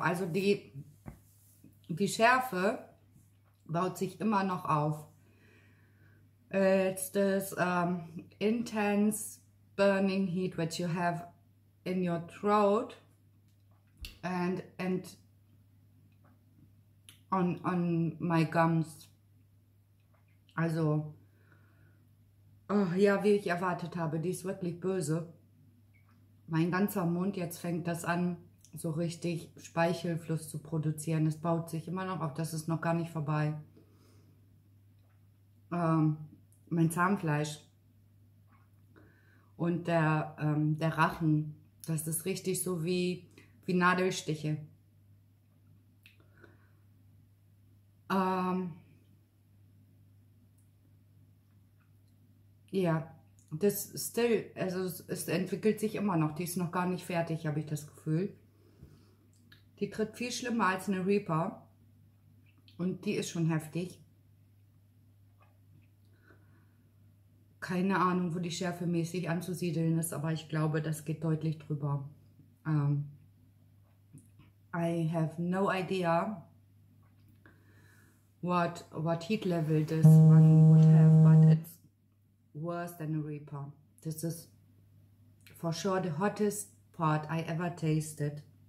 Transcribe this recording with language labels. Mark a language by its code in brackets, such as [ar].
[de] Also die Schärfe baut sich immer noch auf. [en] It's this intense burning heat which you have in your throat and on my gums. [de] Also oh, ja, wie ich erwartet habe, die ist wirklich böse. Mein ganzer Mund, jetzt fängt das an, so richtig Speichelfluss zu produzieren. Es baut sich immer noch auf, das ist noch gar nicht vorbei. Mein Zahnfleisch und der Rachen, das ist richtig so wie Nadelstiche. Ja, das still, also es entwickelt sich immer noch. Die ist noch gar nicht fertig, habe ich das Gefühl. Die tritt viel schlimmer als eine Reaper. Und die ist schon heftig. Keine Ahnung, wo die Schärfe mäßig anzusiedeln ist, aber ich glaube, das geht deutlich drüber. [en] I have no idea what heat level this one would have, but it's worse than a Reaper. This is for sure the hottest pot I ever tasted.